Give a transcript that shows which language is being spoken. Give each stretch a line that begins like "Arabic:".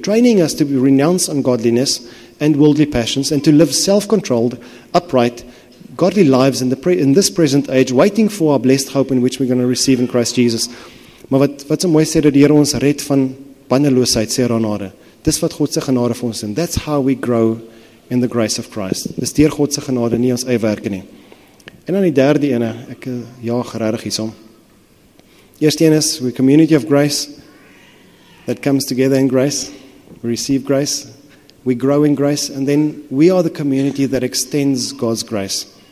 English: Training us to renounce ungodliness and worldly passions, and to live self-controlled, upright, godly lives in this present age, waiting for our blessed hope in which we're going to receive in Christ Jesus.
Afrikaans: Maar wat so mooi sê, dat die Heer ons red van bandeloosheid, sê genade. Dis wat God se genade vir ons doen.
English: That's how we grow in the grace of Christ.
Afrikaans: Dis deur God se genade, nie ons eie werke nie. En dan die derde ene, ek jaag regtig hiersom. Eerste een is,
English: we community of grace that comes together in grace. We receive grace. We grow in grace. And then we are the community that extends God's grace.